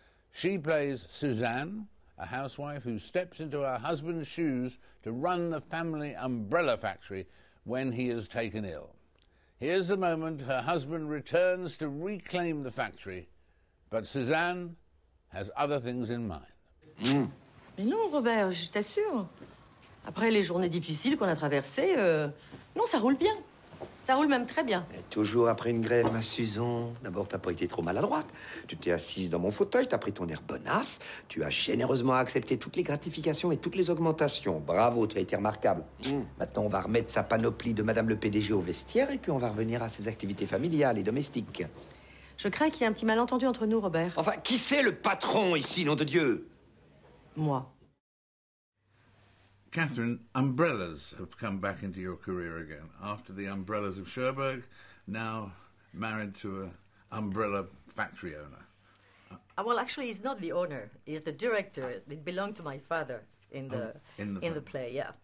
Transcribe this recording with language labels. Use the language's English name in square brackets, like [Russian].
[English] She plays Suzanne, a housewife who steps into her husband's shoes to run the family umbrella factory when he is taken ill. Here's the moment her husband returns to reclaim the factory, but Suzanne has other things in mind. [French] Mais non, Robert, je t'assure. Après les journées difficiles qu'on a traversées, non, ça roule bien. Ça roule même très bien. Et toujours après une grève, ma Susan. D'abord, t'as pas été trop maladroite. Tu t'es assise dans mon fauteuil, t'as pris ton air bonasse. Tu as généreusement accepté toutes les gratifications et toutes les augmentations. Bravo, tu as été remarquable. Maintenant, on va remettre sa panoplie de Madame le PDG au vestiaire et puis on va revenir à ses activités familiales et domestiques. Je crains qu'il y ait un petit malentendu entre nous, Robert. Enfin, qui c'est le patron ici, nom de Dieu? Moi. [English] Catherine, umbrellas have come back into your career again. After The Umbrellas of Cherbourg, now married to an umbrella factory owner. Well, actually, he's not the owner. He's the director. It belonged to my father in the play, yeah.